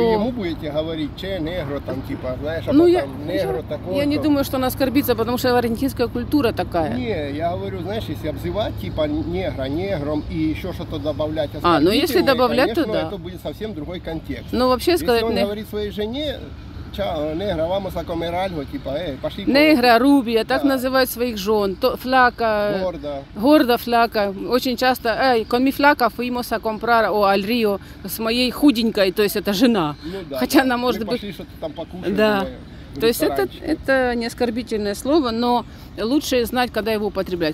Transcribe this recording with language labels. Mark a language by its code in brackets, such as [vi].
[ru] И вы ему будете говорить, че, негр, там, типа, знаешь, ну, а потом я... негр такой... Я не думаю, что он оскорбится, потому что аргентинская культура такая. Не, я говорю, знаешь, если обзывать, типа, негра, негром и еще что-то добавлять... А, ну если добавлять, конечно, то да. Конечно, это будет совсем другой контекст. Ну, вообще если сказать... Если он говорит своей жене... [es] Негра, vamos a comer algo, [ru] типа, пошли. Негра, рубия, так называют своих жен. Флака. Гордо. Гордо, флака. Очень часто, [es] con mi flaca fuimos a comprar al río, [ru] с моей худенькой, то есть это жена. Ну, да, хотя да. Она может мы быть... пошли что-то там покушать. Да. То есть это не оскорбительное слово, но лучше знать, когда его употреблять.